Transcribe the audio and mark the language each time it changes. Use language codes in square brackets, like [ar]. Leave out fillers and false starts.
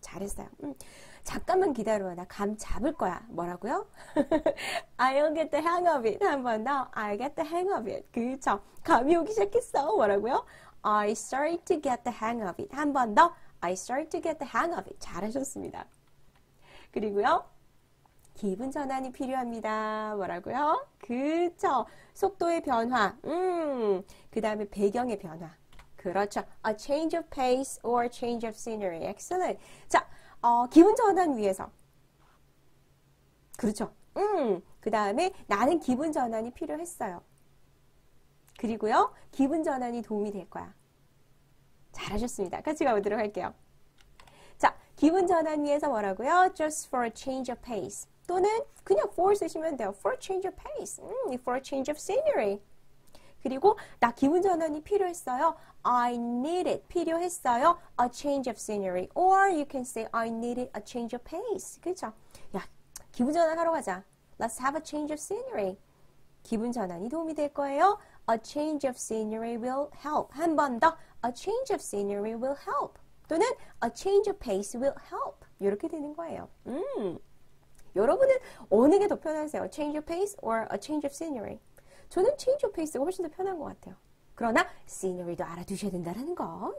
[ko] 잘했어요. 잠깐만 기다려. 나감 잡을 거야. 뭐라고요? [en] I'll get the hang of it. [ko] 한번 더. [en] I'll get the hang of it. [ko] 그쵸? 감이 오기 시작했어. 뭐라고요? [en] I started to get the hang of it. [ko] 한번 더. [en] I started to get the hang of it. [ko] 잘하셨습니다. 그리고요, 기분 전환이 필요합니다. 뭐라고요? 그쵸. 속도의 변화. 그 다음에 배경의 변화. 그렇죠. [en] A change of pace or change of scenery. [ko] Excellent. 자, 기분 전환 위해서. 그렇죠. 그 다음에 나는 기분 전환이 필요했어요. 그리고요, 기분 전환이 도움이 될 거야. 잘하셨습니다. 같이 가보도록 할게요. 기분 전환 위해서 뭐라고요? [en] Just for a change of pace. [ko] 또는 그냥 for 쓰시면 돼요. [en] For a change of pace. For a change of scenery. [ko] 그리고 나 기분 전환이 필요했어요. [en] I need it. [ko] 필요했어요. [en] A change of scenery. Or you can say I needed a change of pace. [ko] 그렇죠? 야, 기분 전환하러 가자. [en] Let's have a change of scenery. [ko] 기분 전환이 도움이 될 거예요. [en] A change of scenery will help. [ko] 한번 더. [en] A change of scenery will help. 또는 a change of pace will help. [ko] 이렇게 되는 거예요. 여러분은 어느 게더 편하세요? [en] change of pace or a change of scenery? [ko] 저는 change of pace가 훨씬 더 편한 것 같아요. 그러나 scenery도 알아두셔야 된다는 거.